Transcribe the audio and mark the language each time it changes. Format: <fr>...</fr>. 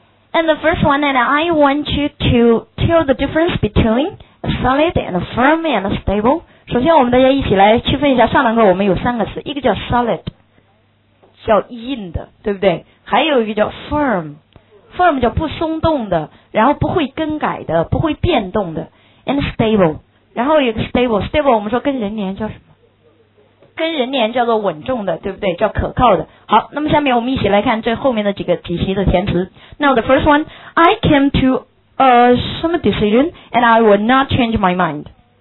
<en>And the first one, and I want you to tell the difference between solid and firm and stable.</en> <zh>首先我们大家一起来区分一下，上堂课我们有三个词，一个叫 solid, 叫硬的，对不对？还有一个叫 firm, firm 叫不松动的，然后不会更改的，不会变动的。</zh> <en>And stable,</en> <zh>然后有个 stable, stable 我们说跟人连叫什么？跟人连叫做稳重的，对不对？叫可靠的。好，那么下面我们一起来看这后面的几个几题的填词。</zh> <en>Now the first one, I came to a some decision and I will not change my mind.</en>